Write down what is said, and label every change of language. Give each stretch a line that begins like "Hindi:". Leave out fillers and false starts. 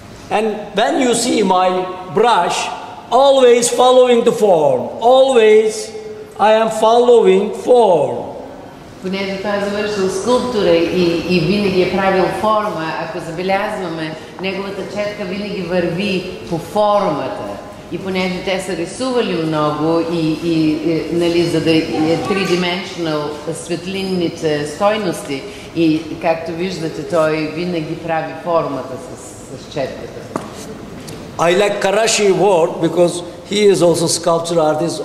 English: And when you see my brush, always following the form, always I am following form.
Bulgarian: Понеже той е завършил скулптура и винаги е правил форма, ако забелязваме, неговата четка винаги върви по формата. И понеже те са рисували много и нали, за да е three-dimensional светлинните стойности, и както виждате, той винаги прави формата с четката.
English: I like Karashi's work because he is also sculpture artist.